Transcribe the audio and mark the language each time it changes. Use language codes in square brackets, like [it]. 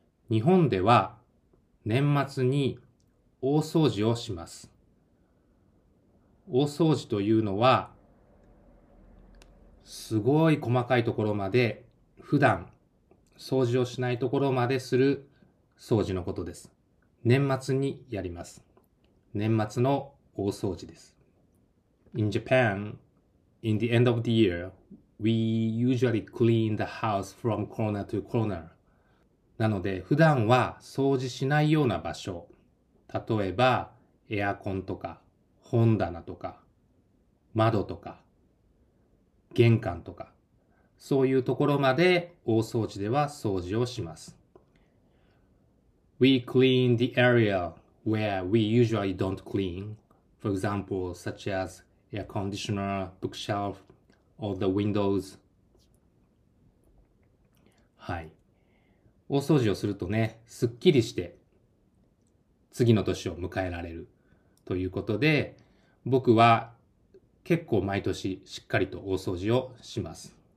[ja] 日本では年末に大掃除をします。大掃除というのはすごい細かいところまで、普段掃除をしないところまでする掃除のことです。年末にやります。年末の大掃除です。 [en] In Japan, in the end of the year, we usually clean the house from corner to corner. [ja] なので普段は掃除しないような場所、例えばエアコンとか本棚とか窓とか玄関とか、そういうところまで大掃除では掃除をします。 [en] We clean the area where we usually don't clean, for example, such as air conditioner, bookshelf, or the windows. [ja] はい、大掃除をするとね、すっきりして次の年を迎えられるということで、僕は結構毎年しっかりと大掃除をします。